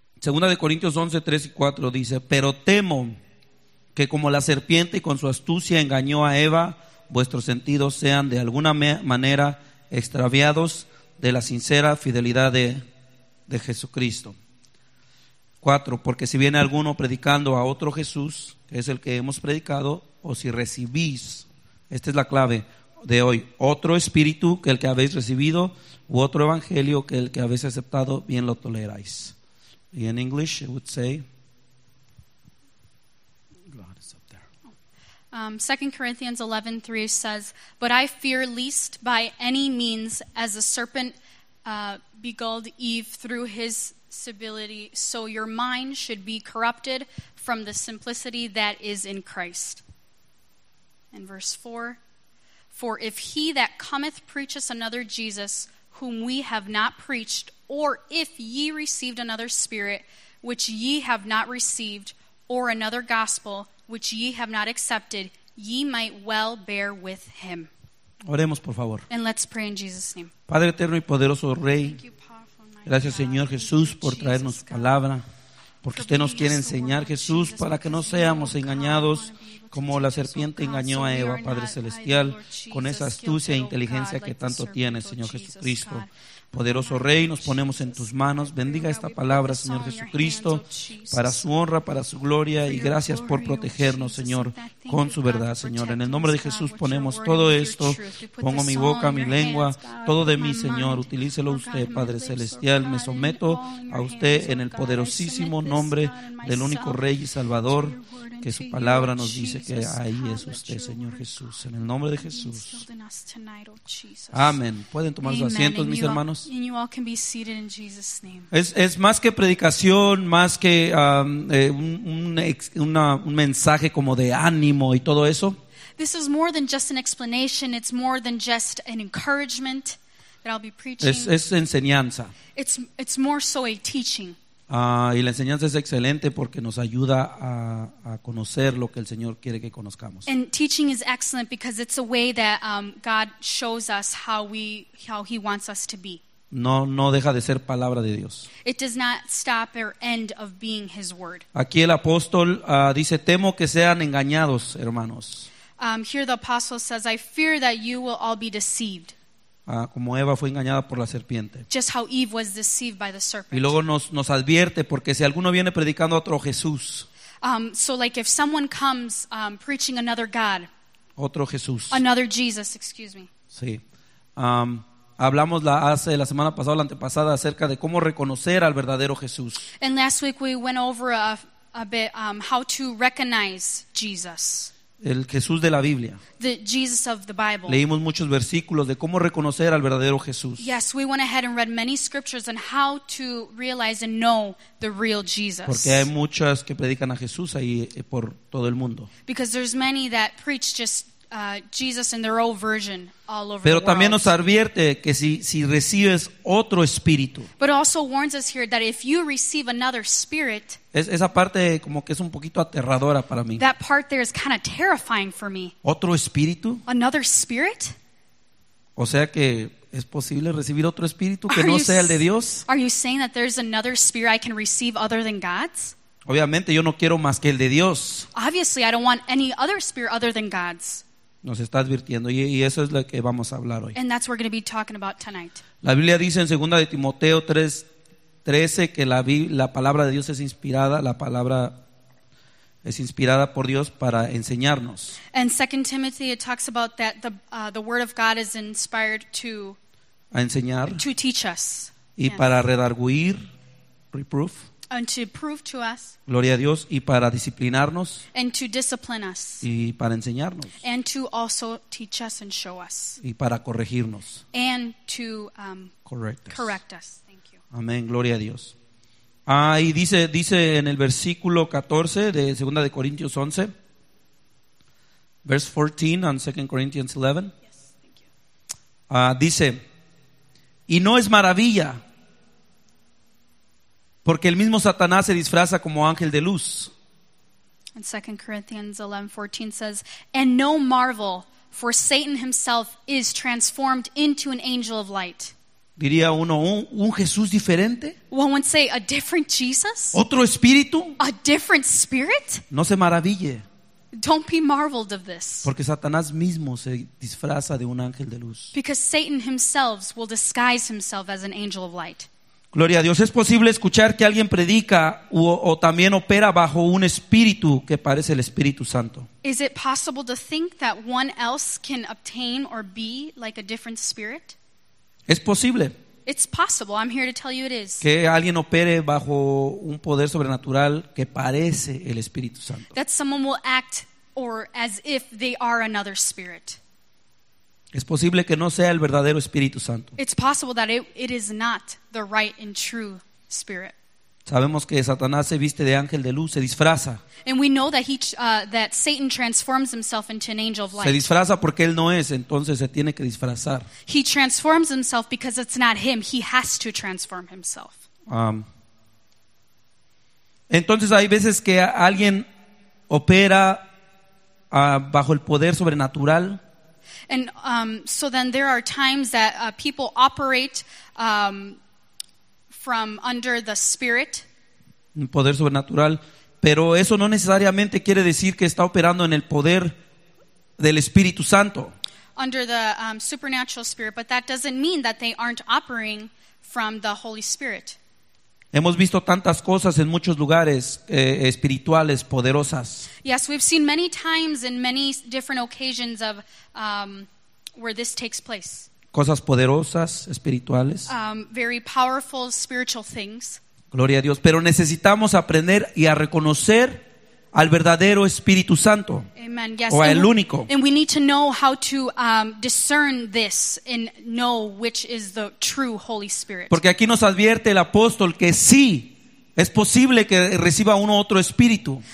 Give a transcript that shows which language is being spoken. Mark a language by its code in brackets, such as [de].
[es] Segunda de Corintios 11, 3 y 4 dice: pero temo que como la serpiente y con su astucia engañó a Eva, vuestros sentidos sean de alguna manera extraviados de la sincera fidelidad de Jesucristo. 4, porque si viene alguno predicando a otro Jesús, que es el que hemos predicado, o si recibís, esta es la clave de hoy, otro espíritu que el que habéis recibido, u otro evangelio que el que habéis aceptado, bien lo toleráis. Y en [en] English, it would say, God is up there. 2 Corinthians 11:3 says, but I fear lest by any means, as a serpent beguiled Eve through his subtlety, so your mind should be corrupted from the simplicity that is in Christ. And verse 4, for if he that cometh preacheth another Jesus, whom we have not preached, or if ye received another spirit, which ye have not received, or another gospel, which ye have not accepted, ye might well bear with him. [es] Oremos, por favor. [en] And let's pray in Jesus' name. [es] Padre eterno y poderoso Rey, gracias, Señor Jesús, por traernos palabra, porque usted nos quiere enseñar, Jesús, para que no seamos engañados como la serpiente engañó a Eva, Padre Celestial, con esa astucia e inteligencia que tanto tiene, Señor Jesucristo. Poderoso Rey, nos ponemos en tus manos. Bendiga esta palabra, Señor Jesucristo, para su honra, para su gloria, y gracias por protegernos, Señor, con su verdad, Señor. En el nombre de Jesús ponemos todo esto. Pongo mi boca, mi lengua, todo de mí, Señor. Utilícelo usted, Padre Celestial. Me someto a usted en el poderosísimo nombre del único Rey y Salvador, que su palabra nos dice que ahí es usted, Señor Jesús. En el nombre de Jesús. Amén. Pueden tomar sus asientos, mis hermanos. [en] And you all can be seated in Jesus' name. [es] Es más que predicación, más que un mensaje como de ánimo y todo eso. [en] This is more than just an explanation. It's more than just an encouragement that I'll be preaching. [es] Es enseñanza. [en] It's more so a teaching. [es] Y la enseñanza es excelente porque nos ayuda a conocer lo que el Señor quiere que conozcamos. [en] And teaching is excellent because it's a way that God shows us how he wants us to be. [es] No deja de ser palabra de Dios. [en] It does not stop or end of being his word. [es] Aquí el apóstol dice: temo que sean engañados, hermanos. [en] Here the apostle says, I fear that you will all be deceived. [es] Como Eva fue engañada por la serpiente. [en] Just how Eve was deceived by the serpent. [es] Y luego nos advierte, porque si alguno viene predicando a otro Jesús. [en] So like if someone comes preaching another God. [es] Otro Jesús. [en] Another Jesus, excuse me. [es] Sí. Hablamos la semana pasada o la antepasada acerca de cómo reconocer al verdadero Jesús. [en] And last week we went over a bit how to recognize Jesus. [es] El Jesús de la Biblia. [en] The Jesus of the Bible. [es] Leímos muchos versículos de cómo reconocer al verdadero Jesús. [en] Yes, we went ahead and read many scriptures on how to realize and know the real Jesus. [es] Porque hay muchas que predican a Jesús ahí por todo el mundo. [en] Because there's many that preach just Jesus in their own version all over. [es] Pero también nos advierte que si recibes otro espíritu. [en] But also warns us here that if you receive another spirit. [es] Esa parte como que es un poquito aterradora para mí. [en] That part there is kind of terrifying for me. [es] ¿Otro espíritu? [en] Another spirit? [es] O sea que es posible recibir otro espíritu que no sea el de Dios. [en] Are you saying that there's another spirit I can receive other than God's? [es] Obviamente yo no quiero más que el de Dios. [en] Obviously I don't want any other spirit other than God's. [es] Nos está advirtiendo y eso es lo que vamos a hablar hoy. [en] And that's what we're going to be talking about tonight. [es] La Biblia dice en 2 de Timoteo 3:13 que la palabra de Dios es inspirada, la palabra es inspirada por Dios para enseñarnos. [en] And 2 Timothy it talks about that the word of God is inspired to [es] a enseñar, [en] to teach us. [es] Y [en] yes. [es] Para redarguir, [en] reproof. And to prove to us. [es] Gloria a Dios. Y para disciplinarnos. [en] And to discipline us. [es] Y para enseñarnos. [en] And to also teach us and show us. [es] Y para corregirnos. [en] And to correct us. Thank you. [es] Amén. Gloria a Dios. Y dice en el versículo 14 de 2 de Corintios 11. [en] Verse 14 on 2 Corinthians 11. Yes, thank you. [es] Dice: y no es maravilla, porque el mismo Satanás se disfraza como ángel de luz. [en] And 2 Corinthians 11:14 says, and no marvel, for Satan himself is transformed into an angel of light. [es] Diría uno, un Jesús diferente. [en] One would say a different Jesus. [es] Otro espíritu. [en] A different spirit. [es] No se maraville. [en] Don't be marveled of this. [es] Porque Satanás mismo se disfraza de un ángel de luz. [en] Because Satan himself will disguise himself as an angel of light. [es] Gloria a Dios. Es posible escuchar que alguien predica o también opera bajo un espíritu que parece el Espíritu Santo. [en] Is it possible to think that one else can obtain or be like a different spirit? [es] Es posible. [en] It's possible. I'm here to tell you it is. [es] Que alguien opere bajo un poder sobrenatural que parece el Espíritu Santo. [en] That someone will act or as if they are another spirit. [es] Es posible que no sea el verdadero Espíritu Santo. [en] It's possible that it is not the right and true spirit. [es] Sabemos que Satanás se viste de ángel de luz, se disfraza. [en] And we know that that Satan transforms himself into an angel of light. [es] Se disfraza porque él no es, entonces se tiene que disfrazar. [en] He transforms himself because it's not him. He has to transform himself. [es] Entonces hay veces que alguien opera bajo el poder sobrenatural. [en] And so then there are times that people operate from under the spirit. [es] Un poder sobrenatural, pero eso no necesariamente quiere decir que está operando en el poder del Espíritu Santo. [en] Under the supernatural spirit, but that doesn't mean that they aren't operating from the Holy Spirit. [es] Hemos visto tantas cosas en muchos lugares espirituales poderosas. [en] Yes, we've seen many times and many different occasions of where this takes place. [es] Cosas poderosas espirituales. [en] Very powerful spiritual things. [es] Gloria a Dios, pero necesitamos aprender y a reconocer al verdadero Espíritu Santo. [en] Amen. Yes. [es] O al único. [en] And we need to know how to discern this and know which is the true Holy Spirit. [es] Porque aquí nos advierte el apóstol que sí es posible que reciba uno otro espíritu.